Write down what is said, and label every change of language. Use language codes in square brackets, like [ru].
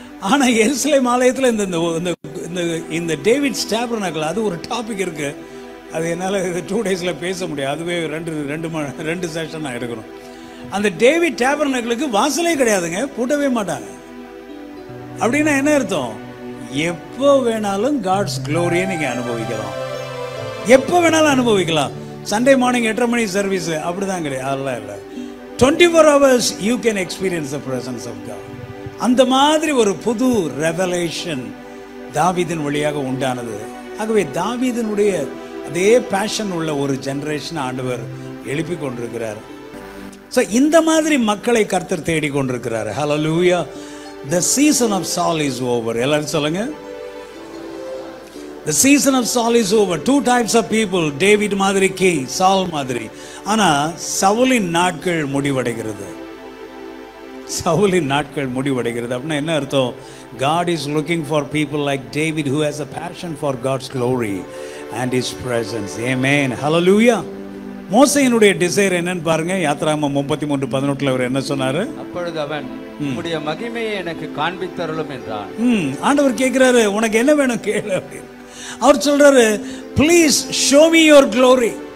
[ta] ஆனா எருசலேம் ஆலயத்துல இந்த இந்த டேவிட் ஸ்டாபர்னக்கல் அது ஒரு டாபிக் இருக்கு, அது என்னால 2 டேஸ்ல பேச முடியாது, அதுவே ரெண்டு செஷன் நான் எடுக்கணும். அந்த டேவிட் ஸ்டாபர்னக்களுக்கு வாசலே கிடையாதுங்க, பூட்டவே மாட்டாங்க. அப்படின்னா என்ன அர்த்தம்? எப்போ வேணாலும் காட்ஸ் க்ளோரியை நீங்க அனுபவிக்கலாம், எப்போ வேணாலும் அனுபவிக்கலாம். சண்டே மார்னிங் 8 மணி சர்வீஸ் அப்படிதான் கிடையாது, அதெல்லாம் இல்லை. [en] 24 hours you can experience the presence of God. [ta] அந்த மாதிரி ஒரு புது ரெவலேஷன் தாவீதின் வழியாக உண்டானது. ஆகவே தாவீதினுடைய அதே பேஷன் உள்ள ஒரு ஜெனரேஷன் ஆண்டவர் எழுப்பி கொண்டிருக்கிறார். ஸோ இந்த மாதிரி மக்களை கர்த்தர் தேடி கொண்டிருக்கிறார். ஹல்லேலூயா, [en] The season of Saul is over. [ta] எல்லாரும் சொல்லுங்க, [en] The season of Saul is over. 2 types of people, [ta] David மாதிரி கிங், சால் மாதிரி. ஆனால் சவுலின் நாட்கள் முடிவடைகிறது, சவுலின் நாட்கள் முடிவடைகிறது. அப்படின்னா என்ன அர்த்தம்? [en] God is looking for people like David who has a passion for God's glory and His presence. Amen. Hallelujah. [ta] மோசேயினுடைய desire என்னன்னு பாருங்க, யாத்திராகமம் 33:11 அவர் என்ன சொன்னார்? அப்பொழுது அவன், உம்முடைய மகிமையை எனக்கு காண்பித்தருளும் என்றார். ஆண்டவர் கேட்கிறாரு, உனக்கு என்ன வேணும் கேளு. அவர் சொல்றாரு, [en] Please show me your glory.